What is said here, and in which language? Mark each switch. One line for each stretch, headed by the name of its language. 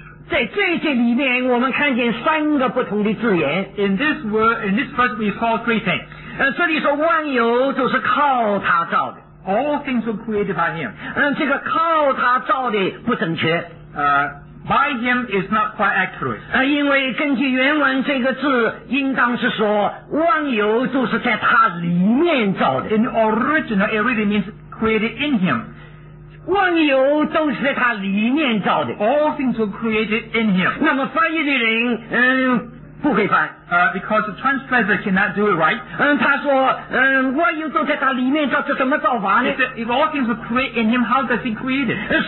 Chinese: 在这些里面，我们看见三个不同的字眼。
English: In this word, in this verse, we saw three things.
Chinese: 这里说万有都是靠他造的。
English: All things were created by him.
Chinese: 这个靠他造的不正确。
English: By him is not quite accurate.
Chinese: 因为根据原文这个字应当是说万有就是在他里面造的。
English: In the original, it really means created in him.
Chinese: 万有都是在他里面造的。
English: All things were created in him.
Chinese: 那么翻译的人不会翻。
English: Because the translator cannot do it right.
Chinese: 他说万有都在他里面造，这怎么造法呢？
English: If all things were created in him, how does he create it?